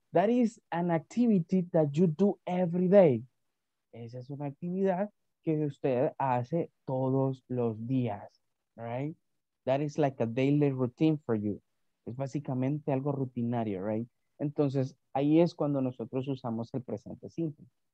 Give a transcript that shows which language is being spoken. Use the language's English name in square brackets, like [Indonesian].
[English] That is an activity that you do every day. [Spanish] Esa es una actividad que usted hace todos los días, right? [English] That is like a daily routine for you. [Spanish] Es básicamente algo rutinario, right? Entonces, ahí es cuando nosotros usamos el presente simple.